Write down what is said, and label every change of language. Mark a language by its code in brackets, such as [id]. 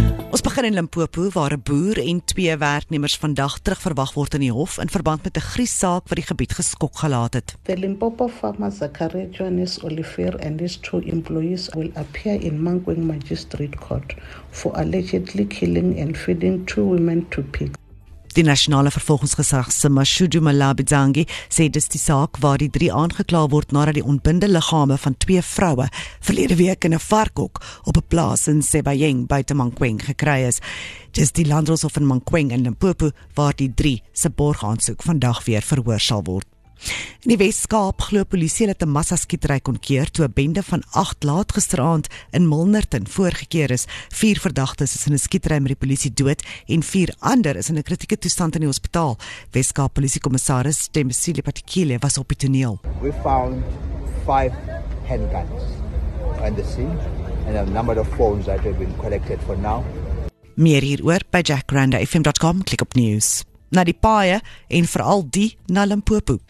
[af] Ons begin in Limpopo waar 'n boer en twee werknemers vandag terugverwag word in die hof in verband met 'n griessaak wat die gebied geskok gelaat het. [en] The Limpopo farmer Zakaria Johannes Olivier and his two employees will appear in Mankweng Magistrate Court for allegedly killing and feeding two women to pigs. [af] Die nasionale vervolgingsgesag se Mashudu Malabizangi sê dis die saak waar die drie aangekla word nadat die ontbinde liggame van twee vroue verlede week in 'n varkhok op 'n plaas in Sebayeng buite Mankweng gekry is. Dis die landdroshof in Mankweng in Limpopo waar die drie se borgaansoek vandag weer verhoor sal word. In die Wes-Kaap glo polisie dat 'n massa-skietery kon keer toe 'n bende van 8 laat gisteraand in Milnerton voorgekeer is. 4 verdagtes is in 'n skietery met die polisie dood en 4 ander is in 'n kritieke toestand in die hospitaal. Wes-Kaap polisiekommissaris Themisile Patikile was op die toneel. [en] We found 5 handguns on the scene and a number of phones that have been collected for now. [af] Meer hieroor by jackrander.fm.com. Klik op news. Na die paaie en veral die na Limpopo.